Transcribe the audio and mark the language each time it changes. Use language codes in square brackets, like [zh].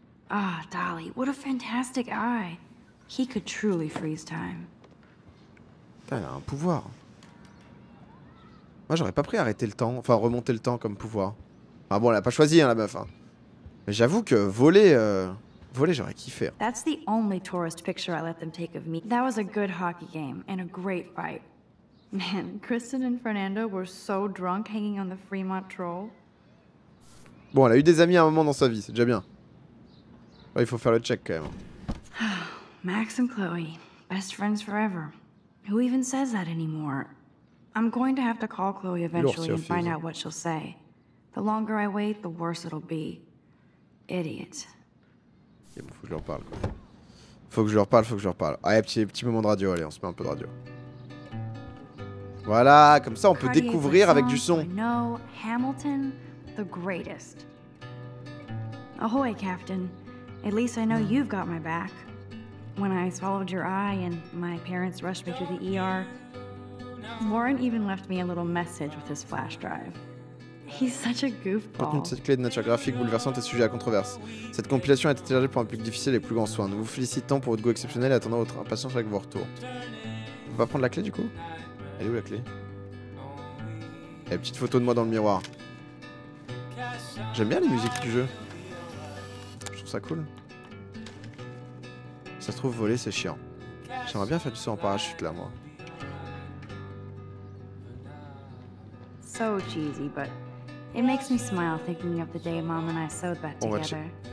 [en] Ah, oh, Dolly, what a fantastic eye. He could truly freeze time. [fr] Putain, elle a un pouvoir. Moi, j'aurais pas pris arrêter le temps, enfin remonter le temps comme pouvoir. Enfin bon, elle a pas choisi, hein, la meuf. Hein. Mais j'avoue que voler, voler, j'aurais kiffé. Hein. [en] That's the only tourist picture I let them take of me. That was a good hockey game and a great fight. Man, Kristen and Fernando were so drunk hanging on the Fremont Troll. [fr] Bon, elle a eu des amis à un moment dans sa vie, c'est déjà bien. Ouais, il faut faire le check quand même. [en] Max and Chloe, best friends forever. Who even says that anymore? I'm going to have to call Chloe eventually and find out what she'll say. The longer I wait, the worse it'll be. Idiot. [fr] Il faut que je leur parle. Quoi. Faut que je leur parle, faut que je leur parle. Allez, petit moment de radio, allez, on se met un peu de radio. Voilà, comme ça on peut découvrir avec du son. [en] No, Hamilton, the greatest. Ahoy, Captain. At least I know you've got my back. When I swallowed your eye and my parents rushed me to the ER, Warren even left me a little message with his flash drive. He's such a goofball. [fr] Par contre, cette clé de nature graphique bouleversante est sujet à controverse. Cette compilation a été chargée pour un public difficile et plus grand soin. Nous vous félicitons pour votre goût exceptionnel et attendons votre impatience avec vos retours. On va prendre la clé du coup ? Elle est où la clé ? Et la petite photo de moi dans le miroir. J'aime bien les musiques du jeu. Je trouve ça cool. Ça se trouve, voler, c'est chiant. J'aimerais bien faire du saut en parachute, là, moi. [en] So cheesy, but it makes me smile thinking of the day Mom and I sewed back together.